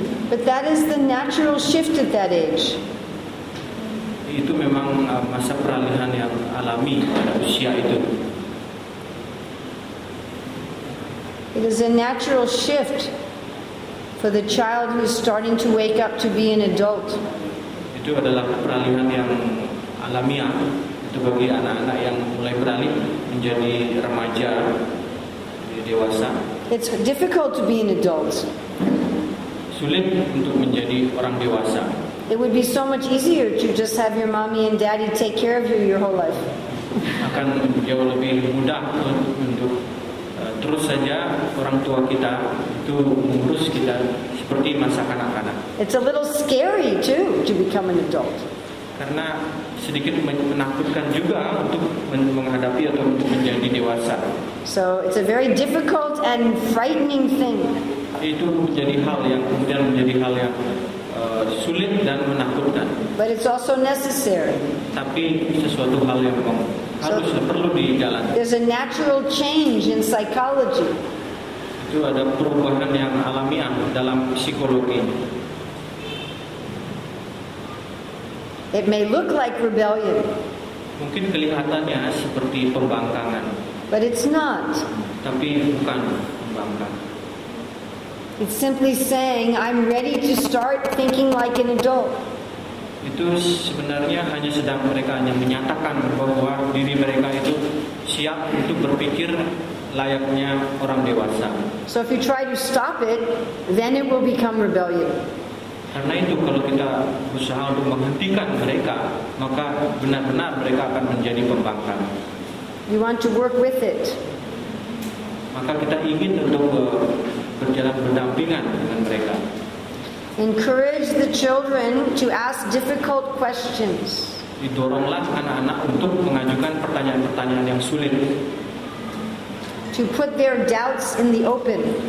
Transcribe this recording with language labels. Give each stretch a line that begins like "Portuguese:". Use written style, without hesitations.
English: But that is the natural shift at that age.
Indonesian: Itu memang masa peralihan yang alami pada usia itu.
English: It is a natural shift for the child who is starting to wake up to be an adult.
Indonesian: Itu adalah peralihan yang alamiah itu bagi anak-anak yang mulai beralih menjadi remaja, dewasa.
English: It's difficult to be an adult.
Indonesian: Sulit untuk menjadi orang dewasa.
English: It would be so much easier to just have your mommy and daddy take care of you your whole life.
Indonesian: Akan jauh lebih mudah untuk terus saja orang tua kita itu mengurus kita seperti masa kanak-kanak.
English: It's a little scary too to become an adult.
Indonesian: Karena sedikit menakutkan juga untuk menghadapi atau untuk menjadi dewasa.
English: So it's a very difficult and frightening thing.
Indonesian: Itu menjadi hal yang kemudian menjadi hal yang sulit dan menakutkan.
English: But it's also necessary.
Indonesian: Tapi sesuatu hal yang harus perlu dijalankan.
English: There's a natural change in psychology.
Indonesian: Itu ada perubahan yang alamiah dalam psikologi.
English: It may look like rebellion.
Indonesian: Mungkin kelihatannya seperti pembangkangan.
English: But it's not.
Indonesian: Tapi bukan pembangkang.
English: It's simply saying I'm ready to start thinking like an adult.
Indonesian: Itu sebenarnya hanya sedang mereka hanya menyatakan bahwa diri mereka itu siap untuk berpikir layaknya orang dewasa.
English: So if you try to stop it, then it will become rebellion.
Indonesian: Karena itu kalau kita berusaha untuk menghentikan mereka, maka benar-benar mereka akan menjadi pembangkang.
English: You want to work with it.
Indonesian: Maka kita ingin untuk berjalan berdampingan dengan mereka.
English: Encourage the children to ask difficult questions.
Indonesian: Didoronglah anak-anak untuk mengajukan pertanyaan-pertanyaan yang sulit.
English: To put their doubts in the open.